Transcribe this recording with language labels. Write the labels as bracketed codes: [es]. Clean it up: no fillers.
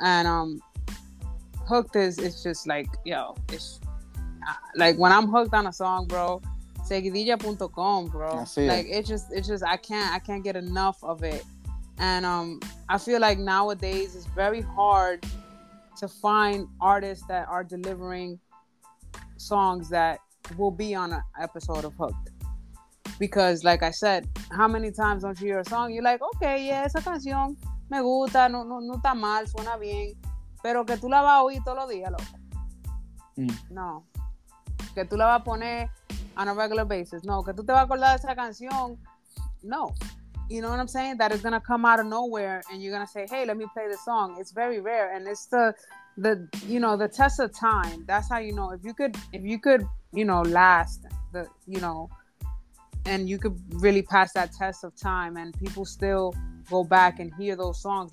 [en] And hooked is, it's just like, yo, it's like when I'm hooked on a song, bro, seguidilla.com, bro, like it's just I can't get enough of it. And I feel like nowadays it's very hard to find artists that are delivering songs that will be on an episode of Hooked. Because, like I said, how many times don't you hear a song? You're like, okay, yeah, [es] esa canción me gusta, no está mal, suena bien. Pero que tú la vas a oír todos los días, loco. No. Que tú la vas a poner [en] on a regular basis. [es] No. Que tú te vas a acordar de esa canción. [en] No. You know what I'm saying? That it's going to come out of nowhere and you're going to say, hey, let me play this song. It's very rare. And it's the you know, the test of time. That's how you know. If you could, you know, last, the you know, and you could really pass that test of time and people still go back and hear those songs.